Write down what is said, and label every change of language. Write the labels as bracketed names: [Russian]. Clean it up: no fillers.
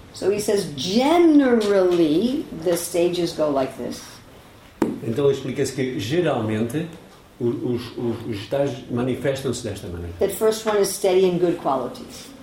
[English] So he says, generally the stages go like this. [Portuguese] Então ele explica-se que geralmente os estágios manifestam-se desta maneira. [English] The first one is steady and good qualities.